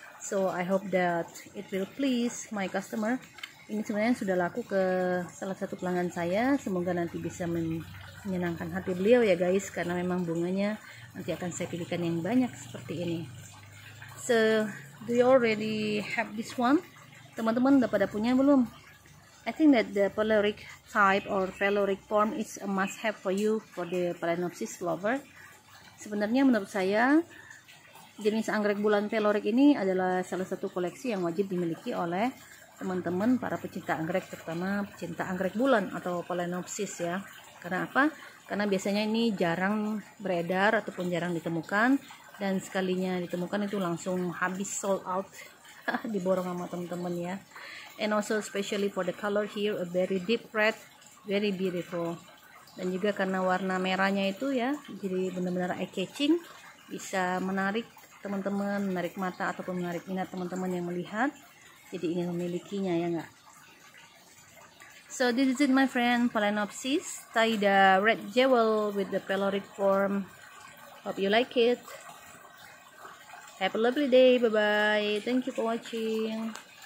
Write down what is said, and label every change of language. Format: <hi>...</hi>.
<en>So I hope that it will please my customer.</en> <id>Ini sebenarnya sudah laku ke salah satu pelanggan saya. Semoga nanti bisa menyenangkan hati beliau ya guys, karena memang bunganya nanti akan saya pilihkan yang banyak seperti ini.</id> <en>So, do you already have this one?</en> <id>Teman-teman udah pada punya belum?</id> <en>I think that the phalloric type or phalloric form is a must have for you for the Phalaenopsis lover.</en> <id>Sebenarnya menurut saya jenis anggrek bulan phalloric ini adalah salah satu koleksi yang wajib dimiliki oleh teman-teman para pecinta anggrek, terutama pecinta anggrek bulan atau Phalaenopsis ya. Karena apa? Karena biasanya ini jarang beredar ataupun jarang ditemukan, dan sekalinya ditemukan itu langsung habis sold out diborong sama teman-teman ya.</id> <en>And also especially for the color here, a very deep red, very beautiful.</en> <id>Dan juga karena warna merahnya itu ya, jadi benar-benar eye catching, bisa menarik teman-teman, menarik mata ataupun menarik minat teman-teman yang melihat, jadi ingin memilikinya ya enggak.</id> <en>So this is it my friend, Phalaenopsis Taida Red Jewel with the phalloric form. Hope you like it. Have a lovely day. Bye-bye. Thank you for watching.</en>